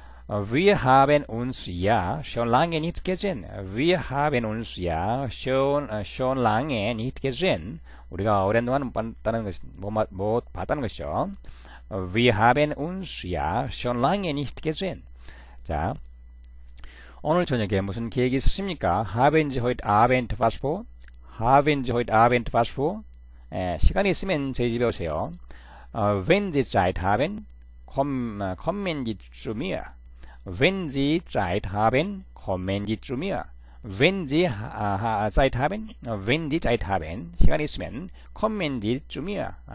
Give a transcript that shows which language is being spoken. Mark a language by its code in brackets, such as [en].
[de] Wir haben uns ja schon lange nicht gesehen. Wir haben uns ja schon lange nicht gesehen. [ko] 우리가 오랜동안 못 봤다는 것이죠. [de] Wir haben uns ja schon lange nicht gesehen. [ko] 자, 오늘 저녁에 무�en 계획이 있으십니까? [de] Haben Sie heute Abend was vor? Haben Sie heute Abend was vor? [ko] 시간이 있으면 저희 집에 오세요. [de] Wenn Sie Zeit haben, kommen Sie zu mir. Wenn Sie Zeit haben, kommen Sie zu mir. Wenn Sie Zeit haben, wenn Sie Zeit haben, [ko] 시간이 있으면 [de] kommen Sie zu mir.